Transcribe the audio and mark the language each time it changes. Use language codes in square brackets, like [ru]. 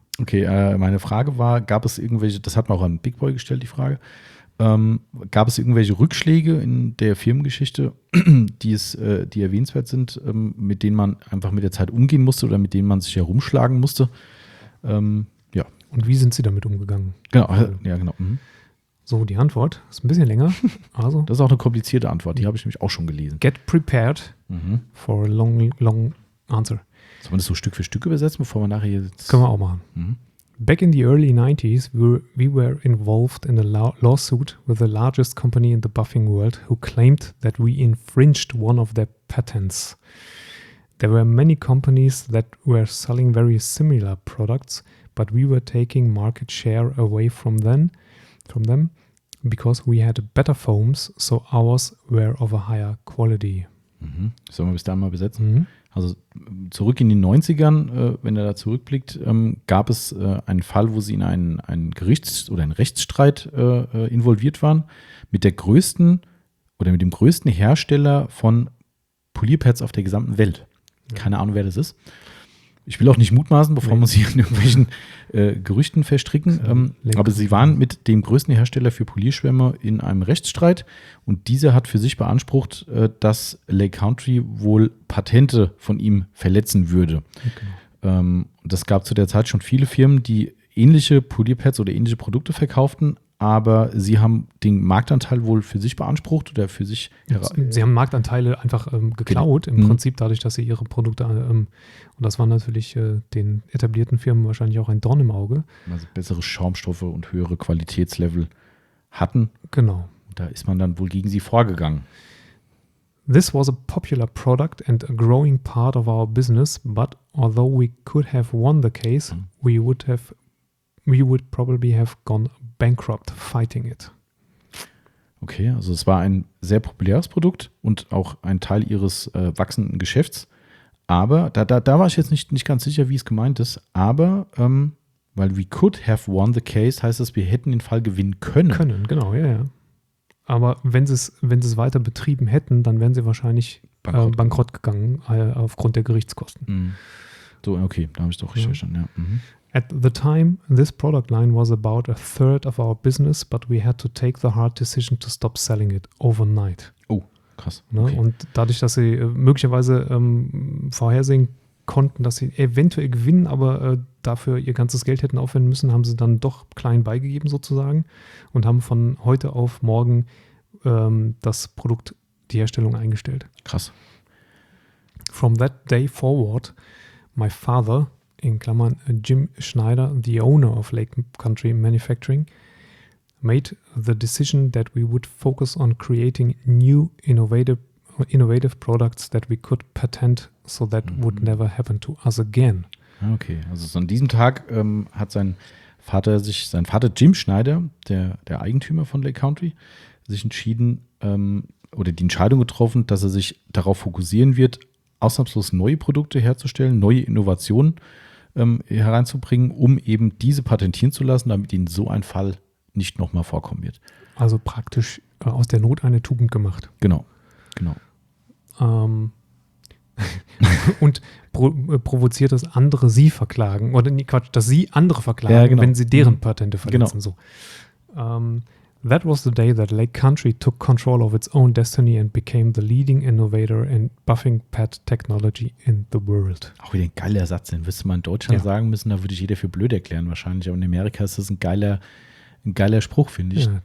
[de] Okay, meine Frage war, gab es irgendwelche, das hat man auch an Big Boy gestellt, die Frage, gab es irgendwelche Rückschläge in der Firmengeschichte, die erwähnenswert sind, mit denen man einfach mit der Zeit umgehen musste oder mit denen man sich herumschlagen musste? Ja. Und wie sind Sie damit umgegangen? Genau, ja, genau. Mhm. So, die Antwort ist ein bisschen länger. Also, das ist auch eine komplizierte Antwort, die habe ich nämlich auch schon gelesen. [en] Get prepared for a long, long answer. [de] Soll man das so Stück für Stück übersetzen, bevor man nachher jetzt... Können wir auch machen. Mhm. [en] Back in the early 90s, we were involved in a lawsuit with the largest company in the buffing world who claimed that we infringed one of their patents. There were many companies that were selling very similar products, but we were taking market share away from them because we had better foams, so ours were of a higher quality. Mhm. [de] Sollen wir bis dahin mal besetzen? Mhm. Also zurück in den 90ern, wenn er da zurückblickt, gab es einen Fall, wo sie in einen Gerichts- oder einen Rechtsstreit involviert waren mit der größten oder mit dem größten Hersteller von Polierpads auf der gesamten Welt. Ja. Keine Ahnung, wer das ist. Ich will auch nicht mutmaßen, bevor man sich in irgendwelchen Gerüchten verstricken. Aber sie waren mit dem größten Hersteller für Polierschwämme in einem Rechtsstreit. Und dieser hat für sich beansprucht, dass Lake Country wohl Patente von ihm verletzen würde. Okay. Das gab zu der Zeit schon viele Firmen, die ähnliche Polierpads oder ähnliche Produkte verkauften. Aber sie haben den Marktanteil wohl für sich beansprucht oder für sich. Sie haben Marktanteile einfach geklaut, im Prinzip dadurch, dass sie ihre Produkte, und das war natürlich den etablierten Firmen wahrscheinlich auch ein Dorn im Auge. Also bessere Schaumstoffe und höhere Qualitätslevel hatten. Genau. Da ist man dann wohl gegen sie vorgegangen. [en] This was a popular product and a growing part of our business, but although we could have won the case, we would probably have gone bankrupt fighting it. [de] Okay, also es war ein sehr populäres Produkt und auch ein Teil ihres wachsenden Geschäfts. Aber da war ich jetzt nicht ganz sicher, wie es gemeint ist. Aber weil [en] we could have won the case, [de] heißt das, wir hätten den Fall gewinnen können. Können, genau, ja, ja. Aber wenn sie es weiter betrieben hätten, dann wären sie wahrscheinlich bankrott gegangen aufgrund der Gerichtskosten. Mm. So, okay, da habe ich doch richtig verstanden, ja. [en] At the time, this product line was about a third of our business, but we had to take the hard decision to stop selling it overnight. [de] Oh, krass. Ne? Okay. Und dadurch, dass sie möglicherweise vorhersehen konnten, dass sie eventuell gewinnen, aber dafür ihr ganzes Geld hätten aufwenden müssen, haben sie dann doch klein beigegeben sozusagen und haben von heute auf morgen das Produkt, die Herstellung eingestellt. Krass. [en] From that day forward, my father, [de] in Klammern [en] Jim Schneider, the owner of Lake Country Manufacturing, made the decision that we would focus on creating new innovative products that we could patent, so that would never happen to us again. [de] Okay, also so an diesem Tag hat sein Vater Jim Schneider, der Eigentümer von Lake Country, sich entschieden oder die Entscheidung getroffen, dass er sich darauf fokussieren wird, ausnahmslos neue Produkte herzustellen, neue Innovationen hereinzubringen, um eben diese patentieren zu lassen, damit ihnen so ein Fall nicht nochmal vorkommen wird. Also praktisch aus der Not eine Tugend gemacht. Genau, genau. und provoziert, dass andere sie verklagen, oder nee, Quatsch, dass sie andere verklagen, ja, genau, wenn sie deren Patente verletzen. Genau. So. [en] That was the day that Lake Country took control of its own destiny and became the leading innovator in buffing pad technology in the world. [de] Auch wieder ein geiler Satz, den wirst du mal in Deutschland sagen müssen, da würde ich jeder für blöd erklären wahrscheinlich, aber in Amerika ist das ein geiler Spruch, finde ich. Yeah,